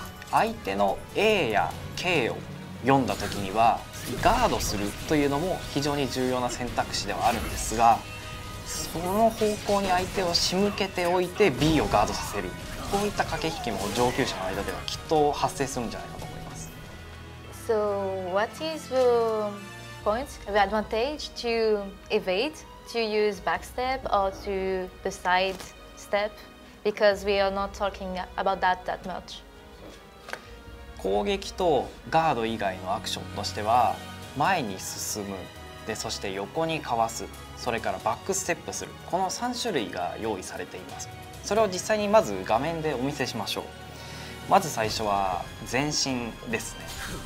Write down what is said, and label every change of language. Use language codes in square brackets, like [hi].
[ja] 相手の A や K を読んだ時にはガードするというのも非常に重要な選択肢ではあるんですが、その方向に相手を仕向けておいて B をガードさせる、こういった駆け引きも上級者の間ではきっと発生するんじゃないかと思います。 [en] So what is the point, the advantage to evade, to use backstep or to the side step? Because we are not talking about that that much. [ja] 攻撃とガード以外のアクションとしては前に進む、でそして横にかわす、それからバックステップする、この3種類が用意されています。それを実際にまず画面でお見せしましょう。まず最初は前進ですね。